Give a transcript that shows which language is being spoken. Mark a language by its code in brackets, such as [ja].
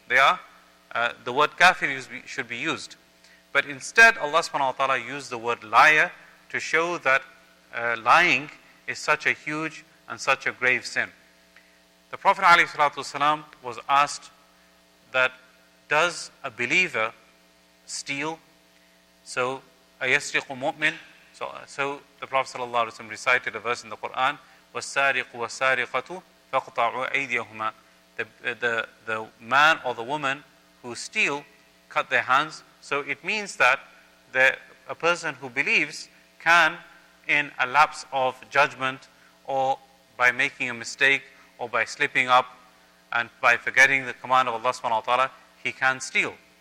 [en] They are, the word kafir should be used. But instead, Allah subhanahu wa ta'ala used the word liar to show that lying is such a huge and such a grave sin. The Prophet alayhi salatu wasalam was asked that, does a believer steal? So, [ar] أَيَسْرِقُ مُؤْمِنُ. [en] So the Prophet sallallahu alayhi wa sallam recited a verse in the Quran, [ar] وَالسَّارِقُ وَالسَّارِقَةُ فَقْطَعُوا أَيْدِيَهُمَا. [en] The man or the woman who steal, cut their hands. So it means that a person who believes can, in a lapse of judgment, or by making a mistake, or by slipping up, and by forgetting the command of Allah subhanahu wa ta'ala, he can steal.